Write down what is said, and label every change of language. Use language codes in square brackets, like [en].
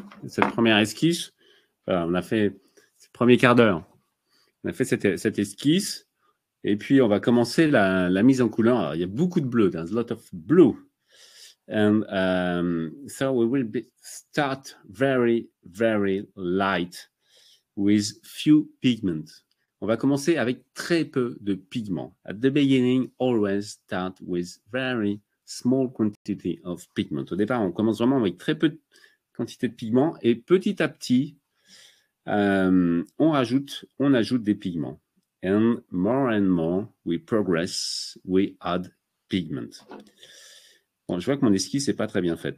[fr] Cette première esquisse, voilà, on a fait ce premier quart d'heure. On a fait cette esquisse, et puis on va commencer la mise en couleur. Alors, il y a beaucoup de bleu, [en] there's a lot of blue. And so we will start very, very light with few pigments. [fr] On va commencer avec très peu de pigments. [en] At the beginning, always start with very small quantity of pigment. [fr] Au départ, on commence vraiment avec très peu de quantité de pigments et petit à petit, on ajoute des pigments. [en] And more we progress, we add pigment. [fr] Bon, je vois que mon esquisse n'est pas très bien faite.